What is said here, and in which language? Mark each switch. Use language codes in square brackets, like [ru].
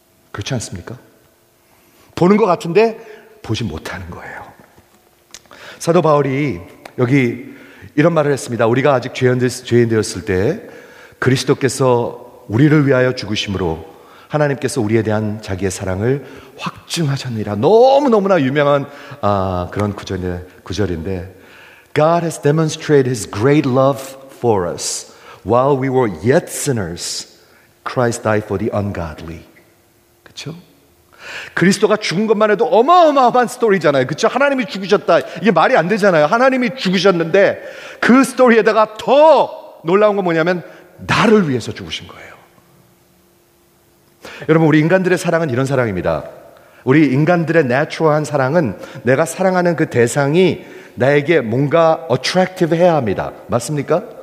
[ko] 그렇지 않습니까? 보는 것 같은데 보지 못하는 거예요. 사도 바울이 여기 이런 말을 했습니다. 우리가 아직 죄인되었을 때 그리스도께서 우리를 위하여 죽으심으로 하나님께서 우리에 대한 자기의 사랑을 확증하셨느니라. 너무너무나 유명한 그런 구절인데 [en] God has demonstrated his great love for us while we were yet sinners. Christ died for the ungodly. [ko] 그렇죠? 그리스도가 죽은 것만 해도 어마어마한 스토리잖아요. 그렇죠? 하나님이 죽으셨다. 이게 말이 안 되잖아요. 하나님이 죽으셨는데 그 스토리에다가 더 놀라운 건 뭐냐면 나를 위해서 죽으신 거예요. 여러분, 우리 인간들의 사랑은 이런 사랑입니다. 우리 인간들의 내추럴한 사랑은 내가 사랑하는 그 대상이 나에게 뭔가 attractive해야 합니다. 맞습니까?